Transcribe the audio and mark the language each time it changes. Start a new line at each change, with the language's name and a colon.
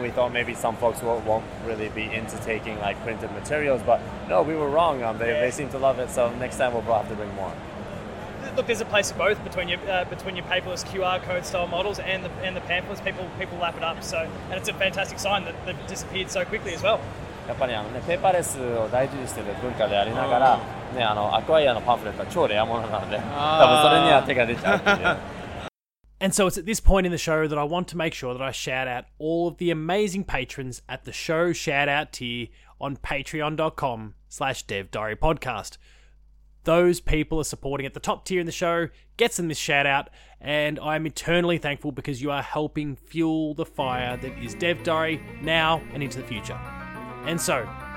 English: We thought maybe some folks won't really be into taking like printed materials, but no, we were wrong. They seem to love it. So next time we'll have to bring more. Look, there's a place for both between your paperless QR code style models and the pamphlets. People lap it up. So, and it's a fantastic sign that they've disappeared so quickly as well.
Japanese: やっぱりね、ペーパーレスを大事にしてる文化でありながら、ね、アクアイアのパンフレットは超レアものなので、多分それには手が出ちゃうっていう。
English: And so it's at this point in the show that I want to make sure that I shout out all of the amazing patrons at the show shout out tier on patreon.com/devdiarypodcast. Those people are supporting at the top tier in the show, gets them this shout out, and I'm eternally thankful because you are helping fuel the fire that is Dev Diary now and into the future. And so,